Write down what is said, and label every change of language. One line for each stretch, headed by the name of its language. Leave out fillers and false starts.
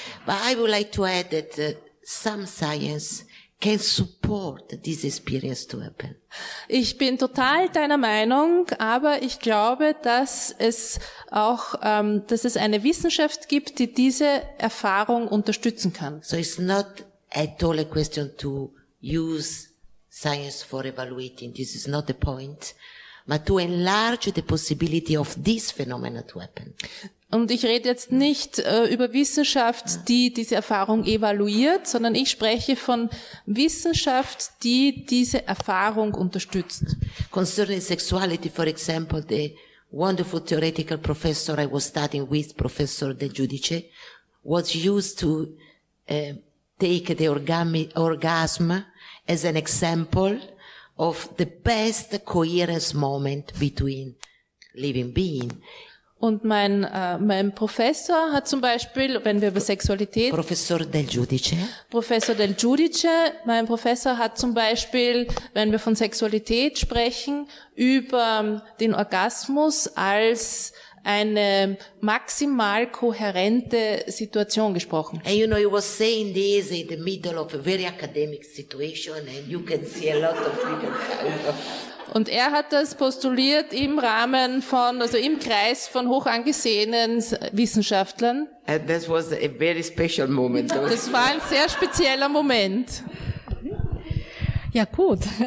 English: But I would like to add that some science can support this experience to happen.
German: Ich bin total deiner Meinung, aber ich glaube, dass es auch, dass es eine Wissenschaft gibt, die diese Erfahrung unterstützen kann.
English: So it's not at all a question to use science for evaluating. This is not the point. But to enlarge the possibility of this phenomenon to happen.
German: Und ich rede jetzt nicht über Wissenschaft, die diese Erfahrung evaluiert, sondern ich spreche von Wissenschaft, die diese Erfahrung unterstützt.
English: Concerning sexuality, for example, the wonderful theoretical professor I was studying with, Professor De Giudice, was used to take the orgasm as an example of the best coherence moment between living being.
German: Und mein Professor hat zum Beispiel, wenn wir über Sexualität... Professor Del Giudice. Mein Professor hat zum Beispiel, wenn wir von Sexualität sprechen, über den Orgasmus als eine maximal kohärente Situation gesprochen.
English: And you know, he was saying this in the middle of a very academic situation and you can see a lot of people.
German: Und er hat das postuliert im Rahmen von, also im Kreis von hochangesehenen Wissenschaftlern.
English: And this was a very special moment.
German: Das war ein sehr spezieller Moment. Ja, gut.